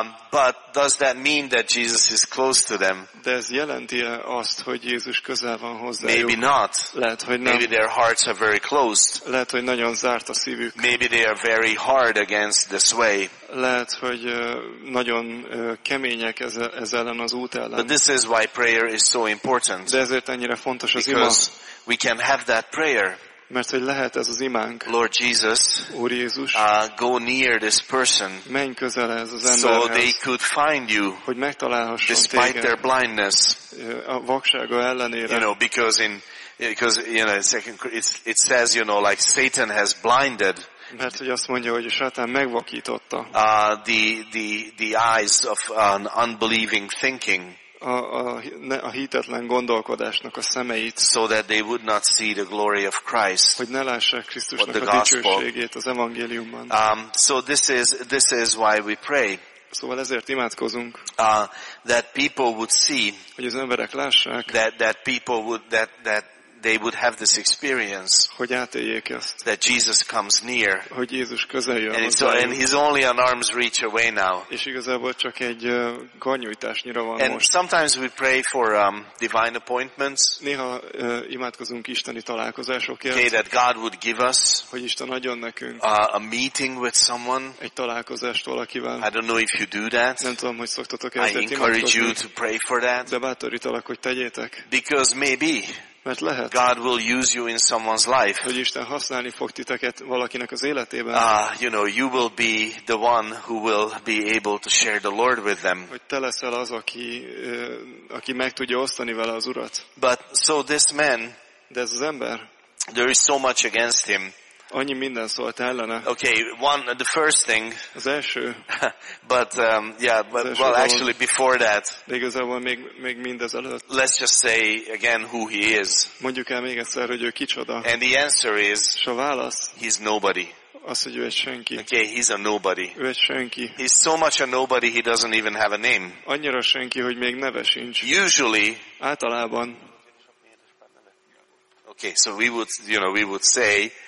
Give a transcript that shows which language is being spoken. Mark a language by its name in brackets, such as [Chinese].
[English] But does that mean that Jesus is close to them? [Hungarian] De ez jelenti-e azt, hogy Jézus közel van hozzájuk? [English] Maybe not. [Hungarian] Lehet, hogy [English] maybe [Hungarian] nem. [English] Their hearts are very closed. [Hungarian] Lehet, hogy nagyon zárt a szívük. [English] Maybe they are very hard against this way. [Hungarian] Lehet, hogy nagyon kemények ez ellen az út ellen. [English] But this is why prayer is so important. [Hungarian] De ezért ennyire fontos az ima. [English] Because we can have that prayer. [Hungarian] Mert hogy lehet ez az imánk. [English] Lord Jesus, [Hungarian] Úr Jézus, [English] go near this person. [Hungarian] Menj közel ez az emberhez. [English] So they could find you. [Hungarian] Hogy megtalálhasson téged. [English] Despite their blindness. [Hungarian] A vaksága ellenére. [English] You know, because you know, it says, you know, like Satan has blinded. [Hungarian] Mert hogy azt mondja, hogy a sátán megvakította. [English] The eyes of an unbelieving thinking. [Hungarian] A hitetlen gondolkodásnak a szemeit, [English] so that they would not see the glory of Christ, [Hungarian] hogy ne lássák Krisztusnak a dicsőségét az evangéliumban. [English] So this is why we pray. [Hungarian] Szóval ezért imádkozunk. [English] That people would see, [Hungarian] hogy az emberek lássák, [English] that they would have this experience, [Hungarian] hogy átéljék ezt, [English] that Jesus comes near, [Hungarian] hogy Jézus közel jön, [English] and he's only an arm's reach away now. [Hungarian] És igazából csak egy karnyújtásnyira van [English] and [Hungarian] most. [English] And sometimes we pray for divine appointments. [Hungarian] Néha imádkozunk isteni találkozásokért. [English] Okay, that God would give us, [Hungarian] hogy Isten adjon nekünk, [English] a meeting with someone. [Hungarian] Egy találkozást valakivel. [English] I don't know if you do that. [Hungarian] Nem tudom, hogy szoktatok ezt imádkozni. [English] I encourage you to pray for that. [Hungarian] De bátorítalak, hogy tegyétek. [English] Because maybe. [Hungarian] Mert lehet, [English] God will use you in someone's life. [Hungarian] Hogy Isten használni fog titeket valakinek az életében. [English] You know, you will be the one who will be able to share the Lord with them. [Hungarian] Hogy te leszel az, aki meg tudja osztani vele az Urat. [English] But so this man, [Hungarian] de ez az ember, [English] there is so much against him. [Hungarian] Annyi minden szólt ellene. [English] Okay, one, the first thing. [Hungarian] Az első. [English] But yeah, but well, actually before that. [Hungarian] De igazából még mindez előtt. [English] Let's just say again who he is. [Hungarian] Mondjuk el még egyszer, hogy ő kicsoda. [English] And the answer is. [Hungarian] S a válasz. [English] He's nobody. [Hungarian] Az, hogy ő egy senki. [English] Okay, he's a nobody. [Hungarian] Ő egy senki. [English] He's so much a nobody he doesn't even have a name. [Hungarian] Annyira senki, hogy még neve sincs. [English] Usually. [Hungarian] Általában. [English] Okay, so we would, you know, we would say.